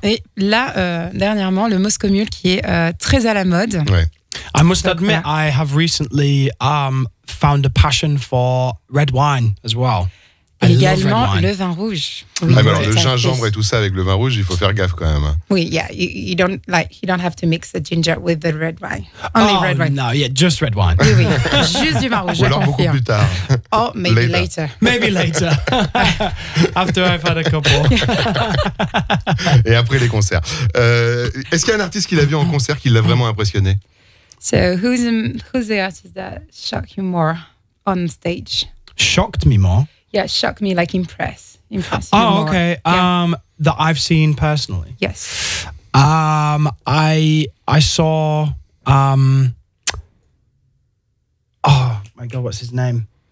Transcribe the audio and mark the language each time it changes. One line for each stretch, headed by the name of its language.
French: Et là, dernièrement, le Moscow Mule qui est très à la mode. Ouais.
English: I must admit, I have recently found a passion for red wine as well.
French: Également le vin rouge. Oui. Ah, mais alors le gingembre et tout ça avec le vin rouge, il faut faire gaffe quand même.
English: Oui, yeah, you don't have to mix the ginger with the red wine. Only oh, red wine. No, yeah, just red wine.
French: Oui, oui, juste du vin rouge. Ou alors beaucoup plus tard.
English: Oh, maybe later. Maybe later. After I've had a couple.
French: Et après les concerts. Est-ce qu'il y a un artiste qu'il a vu en concert qui l'a vraiment impressionné?
English: So who's the artist that shocked you more on stage? Shocked me more? Yeah, shocked me, like impressed you oh, more. Oh, okay. Yeah. That I've seen personally. Yes. I saw oh my god, what's his name?